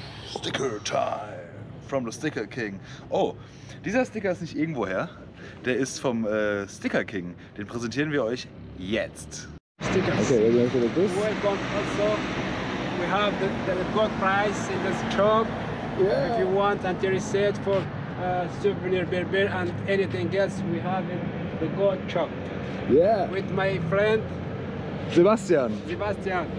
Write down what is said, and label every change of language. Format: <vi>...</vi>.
<en>Sticker Time from the Sticker King.</en> <de>Oh, dieser Sticker ist nicht irgendwoher. Der ist vom Sticker King. Den präsentieren wir euch jetzt. Sticker.</de> <en>Okay, welcome to this. Welcome also. We have the good price in the shop. Yeah. If you want and there is it for souvenir beer and anything else, we have in the good shop. Yeah. With my friend Sebastian. Sebastian.</en>